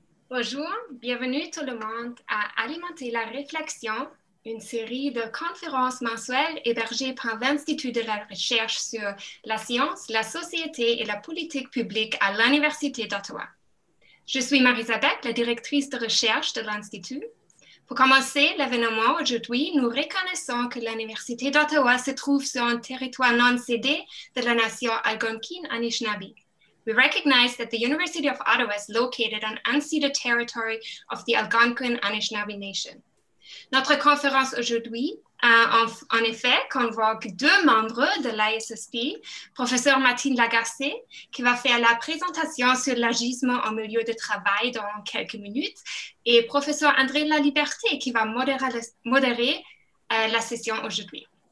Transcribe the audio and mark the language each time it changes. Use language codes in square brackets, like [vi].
[fr] Bonjour, bienvenue tout le monde à Alimenter la réflexion, une série de conférences mensuelles hébergées par l'Institut de la recherche sur la science, la société et la politique publique à l'Université d'Ottawa. Je suis Marie-Isabelle, la directrice de recherche de l'Institut. Pour commencer l'événement aujourd'hui, nous reconnaissons que l'Université d'Ottawa se trouve sur un territoire non cédé de la nation algonquine Anishinaabe. [en] We recognize that the University of Ottawa is located on unceded territory of the Algonquin Anishinaabe Nation. [fr] Notre conférence aujourd'hui, en effet, convoque deux membres de l'ISSP, professeur Martine Lagacé, qui va faire la présentation sur l'agisme en milieu de travail dans quelques minutes, et professeur André Laliberté, qui va modérer la session aujourd'hui.